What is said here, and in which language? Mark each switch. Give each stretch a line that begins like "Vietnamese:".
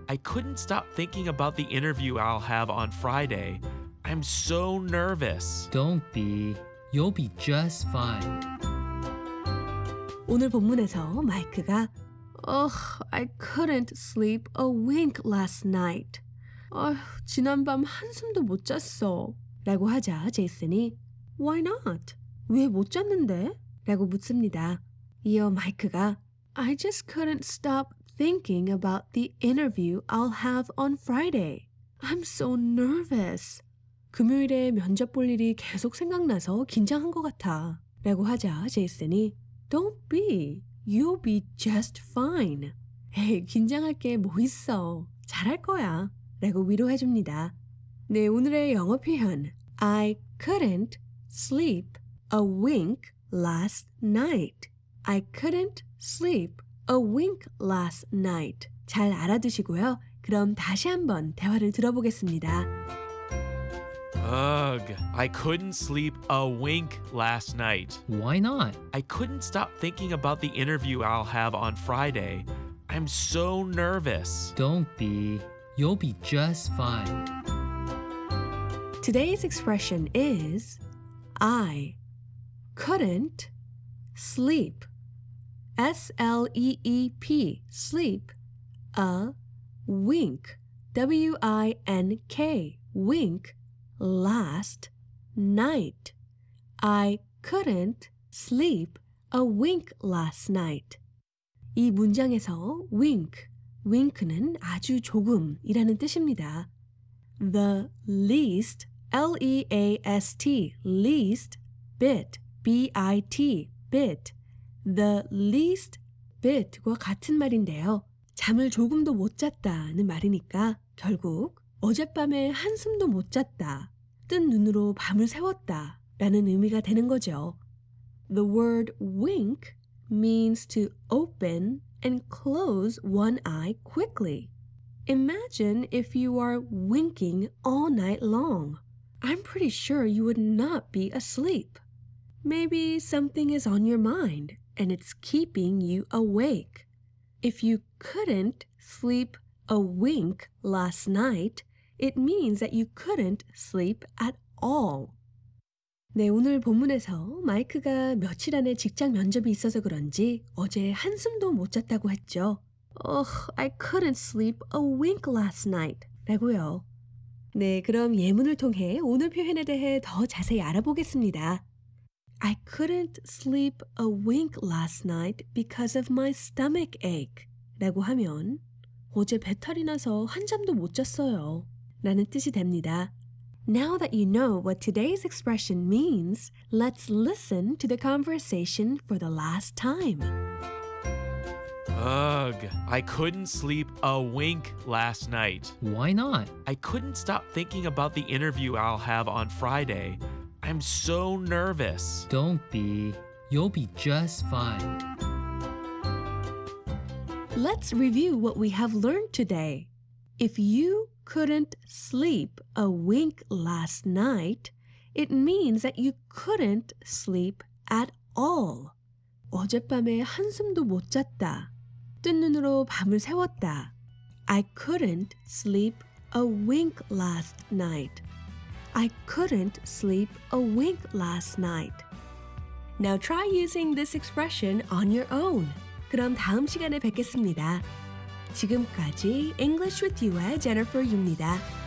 English: I couldn't stop thinking about the interview I'll have on Friday. I'm so nervous. Don't be. You'll be just fine.
Korean: 오늘 본문에서 마이크가
English: Ugh, I couldn't sleep a wink last night.
Korean: 지난밤 한숨도 못 잤어. 라고 하자 제이슨이
English: Why not?
Korean: 왜 못 잤는데? 라고 묻습니다. 이어 마이크가
English: I just couldn't stop thinking about the interview I'll have on Friday. I'm so nervous.
Korean: 금요일에 면접 볼 일이 계속 생각나서 긴장한 것 같아. 라고 하자 제이슨이
English: Don't be. You'll be just fine.
Korean: 에이, 긴장할 게 뭐 있어. 잘할 거야. 라고 위로해 줍니다. 네, 오늘의 영어 표현.
English: I couldn't sleep a wink last night. I couldn't sleep a wink last night.
Korean: 잘 알아두시고요. 그럼 다시 한번 대화를 들어보겠습니다.
English: Ugh, I couldn't sleep a wink last night. Why not? I couldn't stop thinking about the interview I'll have on Friday. I'm so nervous. Don't be. You'll be just fine. Today's expression is I couldn't sleep. S-L-E-E-P, sleep, a wink. W-I-N-K, wink. Last night, I couldn't sleep a wink last night.
Korean: 이 문장에서 wink, wink는 아주 조금이라는 뜻입니다.
English: The least, L-E-A-S-T, least bit, B-I-T, bit.
Korean: The least bit과 같은 말인데요. 잠을 조금도 못 잤다는 말이니까 결국 어젯밤에 한숨도 못 잤다. 뜬 눈으로 밤을 새웠다 라는 의미가 되는 거죠.
English: The word wink means to open and close one eye quickly. Imagine if you are winking all night long. I'm pretty sure you would not be asleep. Maybe something is on your mind and it's keeping you awake. If you couldn't sleep a wink last night, It means that you couldn't sleep at all.
Korean: 네, 오늘 본문에서 마이크가 며칠 안에 직장 면접이 있어서 그런지 어제 한숨도 못 잤다고 했죠.
English: Ugh, I couldn't sleep a wink last night.
Korean: 라고요. 네, 그럼 예문을 통해 오늘 표현에 대해 더 자세히 알아보겠습니다.
English: I couldn't sleep a wink last night because of my stomach ache.
Korean: 라고 하면 어제 배탈이 나서 한잠도 못 잤어요. 라는 뜻이 됩니다.
English: Now that you know what today's expression means, let's listen to the conversation for the last time. Ugh, I couldn't sleep a wink last night. Why not? I couldn't stop thinking about the interview I'll have on Friday. I'm so nervous. Don't be. You'll be just fine. Let's review what we have learned today. If you couldn't sleep a wink last night, it means that you couldn't sleep at all.
Korean: 어젯밤에 한숨도 못 잤다. 뜬 눈으로 밤을 새웠다.
English: I couldn't sleep a wink last night. I couldn't sleep a wink last night. Now try using this expression on your own.
Korean: 그럼 다음 시간에 뵙겠습니다. 지금까지 English with You의 Jennifer Yu입니다.